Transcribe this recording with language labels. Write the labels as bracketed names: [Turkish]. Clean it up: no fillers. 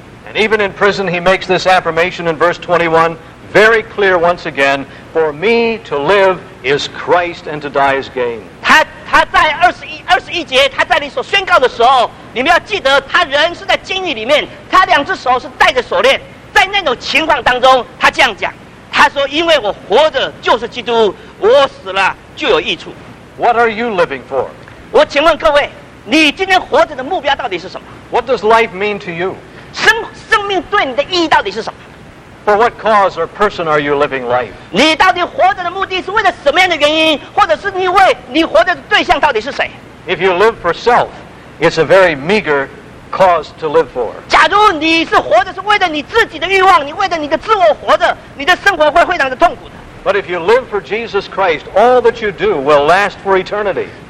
[English] And even in prison, he makes this affirmation in verse 21 very clear once again, for me to live is Christ and to die is gain. [Chinese] 他在二十一节，他在那里所宣告的时候，你们要记得，他人是在监狱里面，他两只手是带着锁链，在那种情况当中，他这样讲，他说：“因为我活着就是基督，我死了就有益处。” [English] What are you living for? [Chinese] 我请问各位，你今天活着的目标到底是什么？ [English] What does life mean to you? [Chinese] 生命对你的意义到底是什么？ [English] For what cause or person are you living life? [Chinese] 你到底活着的目的是为了什么样的原因，或者是你活着的对象到底是谁？ [English] If you live for self, it's a very meager cause to live for. [Chinese] 假如你是活着是为了你自己的欲望，你为了你的自我活着，你的生活会非常的痛苦的。 [English] But if you live for Jesus Christ, all that you do will last for eternity.